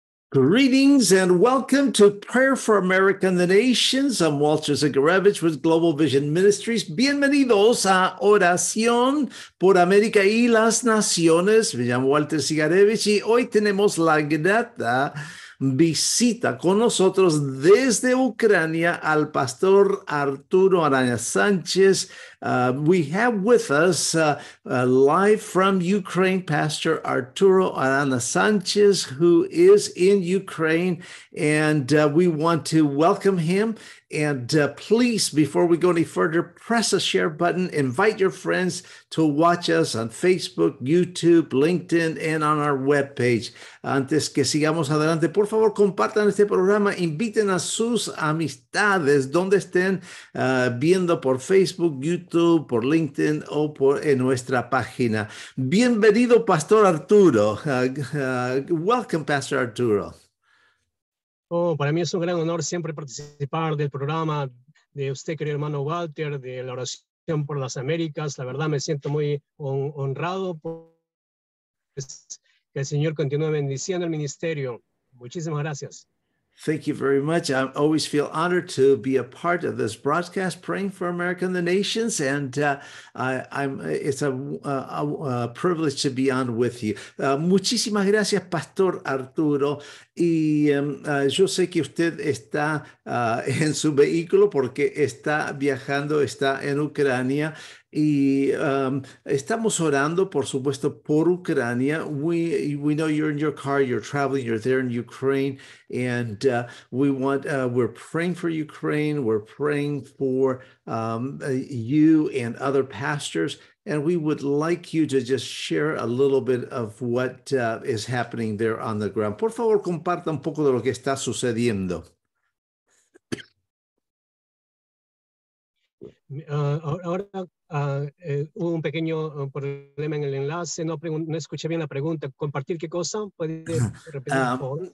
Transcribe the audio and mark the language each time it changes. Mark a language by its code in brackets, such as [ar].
[en] Greetings and welcome to Prayer for America and the Nations. I'm Walter Zygarewicz with Global Vision Ministries. [es] Bienvenidos a Oración por América y las Naciones. Me llamo Walter Zygarewicz y hoy tenemos la grata visita con nosotros desde Ucrania al Pastor Arturo Araña Sanchez. [en] We have with us live from Ukraine, Pastor Arturo Arana Sanchez, who is in Ukraine, and we want to welcome him. And please, before we go any further, press a share button, invite your friends to watch us on Facebook, YouTube, LinkedIn, and on our webpage. [es] Antes que sigamos adelante, por favor, compartan este programa, inviten a sus amistades, donde estén viendo por Facebook, YouTube, por LinkedIn o por en nuestra página. Bienvenido, Pastor Arturo. [en] Welcome, [es] Pastor Arturo. Oh, para mí es un gran honor siempre participar del programa de usted, querido hermano Walter, de la oración por las Américas. La verdad, me siento muy honrado que el Señor continúe bendiciendo el ministerio. Muchísimas gracias. [en] Thank you very much. I always feel honored to be a part of this broadcast, Praying for America and the Nations, and it's a privilege to be on with you. [es] Muchísimas gracias, Pastor Arturo. Y yo sé que usted está en su vehículo porque está viajando, está en Ucrania. Y estamos orando, por supuesto, por Ucrania. [en] We know you're in your car, you're traveling, you're there in Ukraine, and we're praying for Ukraine, we're praying for you and other pastors, and we would like you to just share a little bit of what is happening there on the ground. [es] Por favor, comparta un poco de lo que está sucediendo. Ahora hubo un pequeño problema en el enlace, no escuché bien la pregunta. ¿Compartir qué cosa? ¿Puede repetir, por favor?